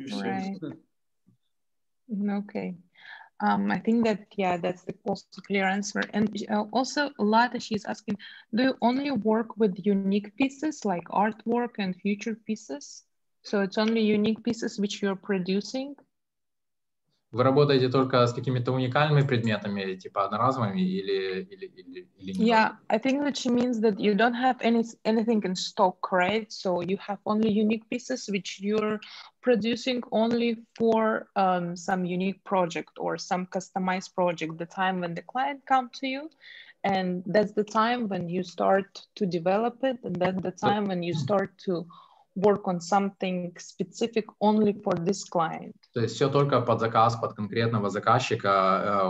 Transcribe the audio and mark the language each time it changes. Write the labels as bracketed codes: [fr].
[en] Mm-hmm. Right. Okay. I think that, yeah, that's the most clear answer. And also, Lata, she's asking, do you only work with unique pieces like artwork and future pieces? So it's only unique pieces which you're producing? [ru] Вы работаете только с какими-то уникальными предметами, типа одноразовыми или нет? [en] Yeah, I think that she means that you don't have anything in stock, right? So you have only unique pieces which you're producing only for some unique project or some customized project, the time when the client comes to you, and that's the time when you start to develop it, and then the time when you start to work on something specific only for this client. [ru] То есть все только под заказ, под конкретного заказчика.